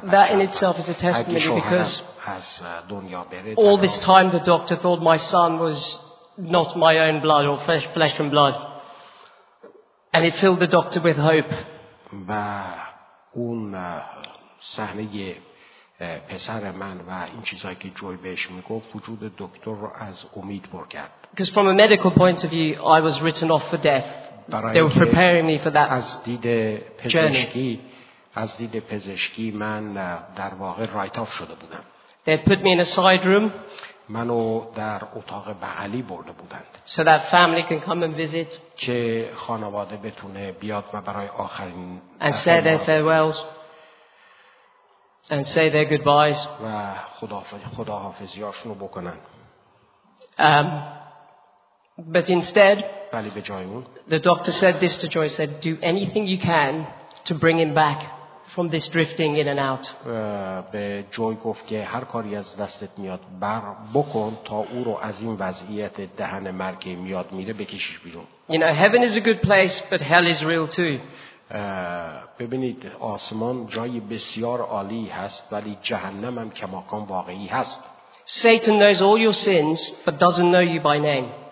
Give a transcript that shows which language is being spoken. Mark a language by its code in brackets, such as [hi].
[fa] بچه [en] That in itself is a testimony because [fa] از دنیا بره [en] All this time the doctor thought my son was not my own blood or flesh and blood and it filled the doctor with hope [fa] و اون صحنه پسر من و این چیزایی که جوی بهش میگفت وجود دکتر رو از امید پر کرد [en] Because from a medical point of view, I was written off for death. They were preparing me for that journey. [fa] از دید پزشکی از دید پزشکی من در واقع رایت آف شده بودم. [en] They put me in a side room. [fa] منو در اتاق بغلی برده بودند. [en] So that family can come and visit. [fa] که خانواده بتونه بیاد و برای آخرین [en] and say their farewells and say their goodbyes. [fa] و خداحافظیاشونو بکنن. [en] But instead, [fa] ولی به جای اون, [en] the doctor said this to Joyce, said, "Do anything you can to bring him back from this drifting in and out." [fa] به جوی گفت که هر کاری از دستت میاد بر بکن تا او رو از این وضعیت دهن مرگ میاد میره بکشیش بیرون. [en] You know, heaven is a good place, but hell is real too. [fa] ببینید آسمان جای بسیار عالی هست ولی جهنم هم کماکان واقعی هست. [en] Satan knows all your sins but doesn't know you by name.